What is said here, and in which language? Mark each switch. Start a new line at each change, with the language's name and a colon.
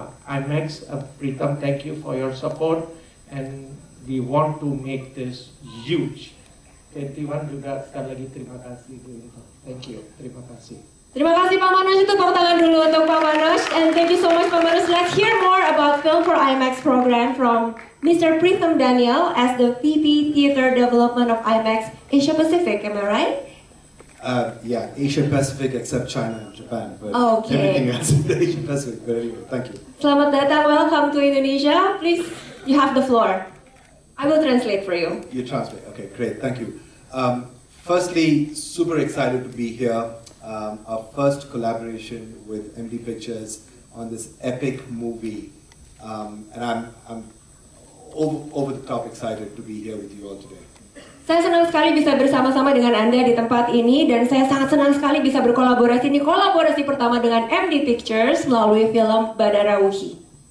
English: IMAX, Pritam, thank you for your support, and we want to make this huge.
Indonesian: 21 juga sekali lagi terima kasih.
English: Thank you,
Indonesian: terima kasih. Terima kasih Pak Manoj, itu tepuk tangan dulu untuk Pak Manoj.
English: And thank you so much Pak Manoj. Let's hear more about Film for IMAX program from Mr. Pritam Daniel as the VP Theater Development of IMAX Asia Pacific, am I right? Asia Pacific except China and Japan, but okay. Everything else in Asia Pacific, but anyway, thank you.
Indonesian: Selamat datang,
English: welcome to Indonesia. Please, you have the floor. I will translate for you. You translate, okay, great, thank you. Firstly, super excited to be here. Our first collaboration with MD Pictures on this epic movie. And I'm over the top excited to be here with you all today.
Indonesian: Saya senang sekali bisa bersama-sama dengan Anda di tempat ini, dan saya sangat senang sekali bisa berkolaborasi ini, kolaborasi pertama dengan MD Pictures melalui film Badarawi.